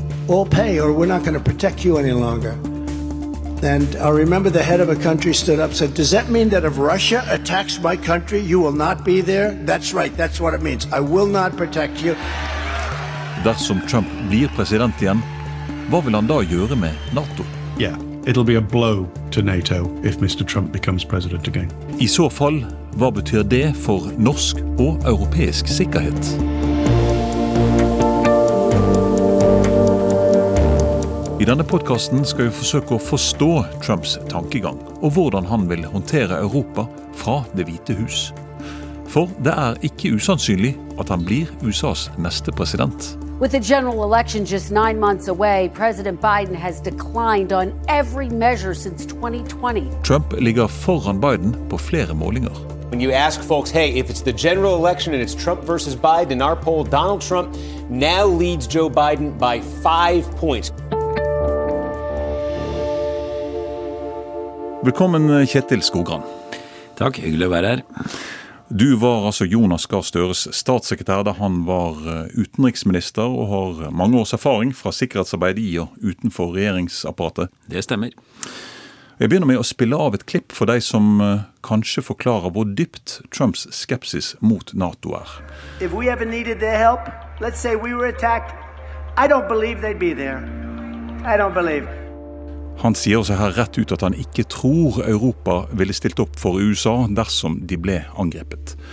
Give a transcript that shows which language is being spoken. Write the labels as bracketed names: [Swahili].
[English] all pay or we're not going to protect you any longer. And I remember the head of a country stood up and said, does that mean that if Russia attacks my country, you will not be there? That's right. That's what it means. I will not protect you. [Norwegian] Dersom Trump blir president igjen, hva vil han da gjøre med NATO? [English] Yeah, it'll be a blow to NATO if Mr. Trump becomes president again. [Norwegian] I så fall, hva betyr det for norsk og europeisk sikkerhet? I denne podcasten skal vi forsøke å forstå Trumps tankegang og hvordan han vil håndtere Europa fra Det Hvite Hus. For det ikke usannsynlig at han blir USAs neste president. [English] With the general election just 9 months away, President Biden has declined on every measure since 2020. [Norwegian] Trump ligger foran Biden på flere målinger. [English] When you ask folks, hey, if it's the general election and it's Trump versus Biden, in our poll, Donald Trump now leads Joe Biden by 5 points. [Norwegian] Velkommen, Kjetil Skogran. Takk, hyggelig å være her. Du var altså Jonas Gahr Støres statssekretær da han var utenriksminister og har mange års erfaring fra sikkerhetsarbeid i og utenfor regjeringsapparatet. Det stemmer. Jeg begynner med å spille av et klipp for deg som kanskje forklarer hvor dypt Trumps skepsis mot NATO [English] If we ever needed their help, let's say we were attacked, I don't believe they'd be there. I don't believe. [Norwegian] Han sier også her rett ut at han ikke tror Europa ville stilt opp for USA dersom de ble angrepet.